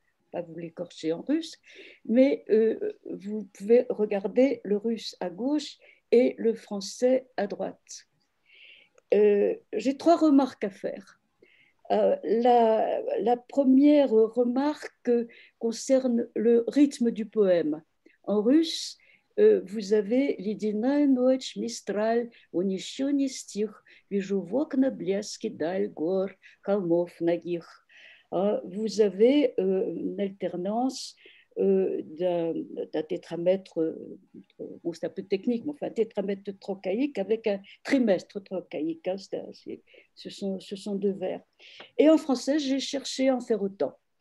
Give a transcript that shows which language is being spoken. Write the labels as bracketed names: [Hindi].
[French] Pas vous l'écorcher en russe, mais vous pouvez regarder le russe à gauche et le français à droite. J'ai trois remarques à faire. La première remarque concerne le rythme du poème. En russe, vous avez [Russian] «Ледяная ночь, мистраль, он еще не стих, вижу в окна блески даль гор, холмов нагих». [French] Vous avez une alternance d'un tétramètre, bon, c'est un peu technique, mais enfin, un tétramètre trochaïque avec un trimestre trochaïque. Hein, ce sont deux vers. Et en français, j'ai cherché à en faire autant.